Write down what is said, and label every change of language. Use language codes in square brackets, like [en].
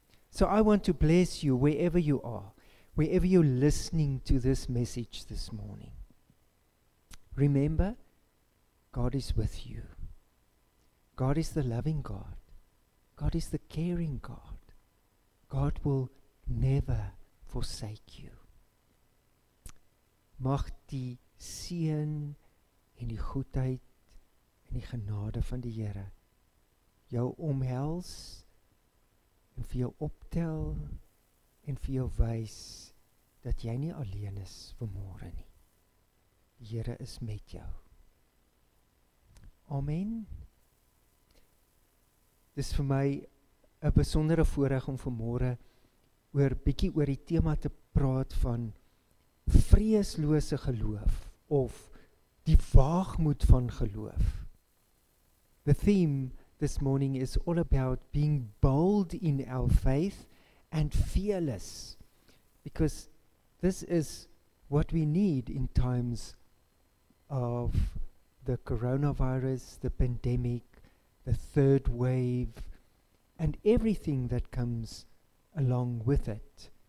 [en] So I want to bless you wherever you are, wherever you're listening to this message this morning. Remember, God is with you. God is the loving God. God is the caring God. God will never forsake you. [af] Mag die seën en die goedheid en die genade van die Here jou omhels en vir jou optel en vir jou wys dat jy nie alleen is vanmôre nie. Die Here is met jou. Amen. Dis vir my 'n besondere voorreg om vanmôre oor bietjie oor die tema te praat van vreeslose geloof of die waagmoed van geloof. [en] The theme this morning is all about being bold in our faith and fearless, because this is what we need in times of the coronavirus, the pandemic, the third wave, and everything that comes along with it.